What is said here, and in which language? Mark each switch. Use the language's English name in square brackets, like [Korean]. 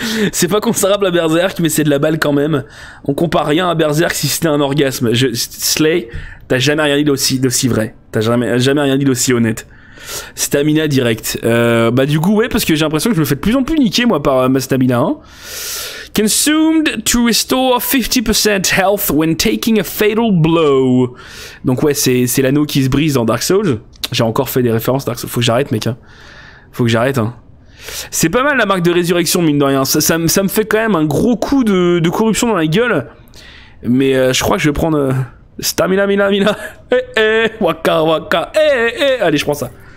[French] C'est pas comparable à Berserk, mais c'est de la balle quand même. On compare rien à Berserk si c'était un orgasme. Slay, t'as jamais rien dit d'aussi vrai. T'as jamais rien dit d'aussi honnête. Stamina direct. Bah du coup, ouais, parce que j'ai l'impression que je me fais de plus en plus niquer, moi, par ma stamina. Hein. [English] Consumed to restore 50% health when taking a fatal blow. [French] Donc ouais, c'est l'anneau qui se brise dans Dark Souls. J'ai encore fait des références Dark Souls. Faut que j'arrête, mec. Hein. Faut que j'arrête, hein. C'est pas mal, la marque de résurrection, mine de rien. Ça me fait quand même un gros coup de corruption dans la gueule. Mais je crois que je vais prendre... Stamina, mina, mina. Eh, eh, waka, waka. Eh, eh, eh. Allez, je prends ça.